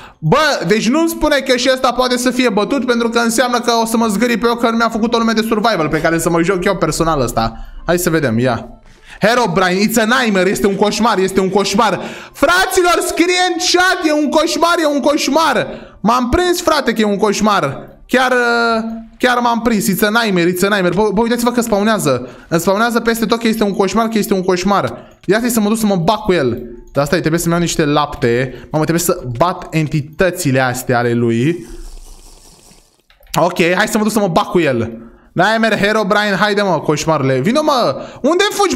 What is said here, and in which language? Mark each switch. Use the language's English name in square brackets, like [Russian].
[Romanian] Bă, deci nu-mi spune că și ăsta poate să fie bătut, pentru că înseamnă că o să mă zgârii pe eu, că nu mi-a făcut o lume de survival pe care să mă joc eu personal ăsta. Hai să vedem, ia. Herobrine, [English] it's a nightmare, [Romanian] este un coșmar, este un coșmar. Fraților, scrie în chat, e un coșmar, e un coșmar. M-am prins, frate, că e un coșmar. Chiar m-am prins, [English] it's a nightmare, it's a nightmare. [Romanian] Bă, uitați-vă că spawnează. Îmi spawnează peste tot că este un coșmar, că este un coșmar. Ia-te să mă duc să mă bat cu el. Dar stai, trebuie să-mi iau niște lapte. Mamă, trebuie să bat entitățile astea ale lui. Ok, hai să mă duc să mă bat cu el. Nightmare, Herobrine, haide mă, coșmarule. Vino mă, unde fugi?